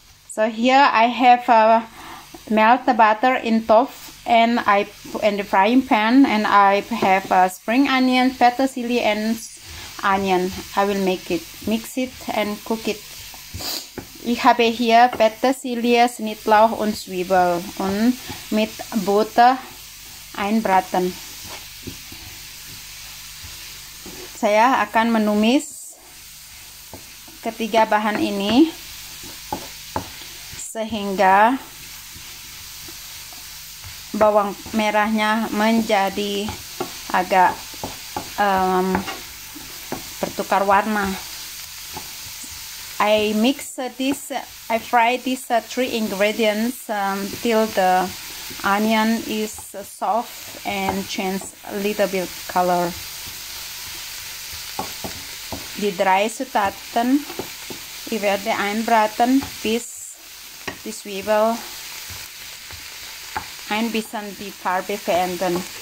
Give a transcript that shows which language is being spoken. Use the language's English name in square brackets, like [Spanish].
[English] So here I have melt the butter in tofu and I in the frying pan and I have spring onion, petersilie and onion. I will make it, mix it and cook it. [German] Ich habe hier Petersilie, Schnittlauch und Zwiebel und mit Butter einbraten. [Malay] Saya akan menumis ketiga bahan ini sehingga bawang merahnya menjadi agak bertukar warna. [English] I mix this, I fry these three ingredients till the onion is soft and change a little bit color. [German] Die drei Zutaten, ich werde einbraten, bis die Zwiebel ein bisschen die Farbe verändern.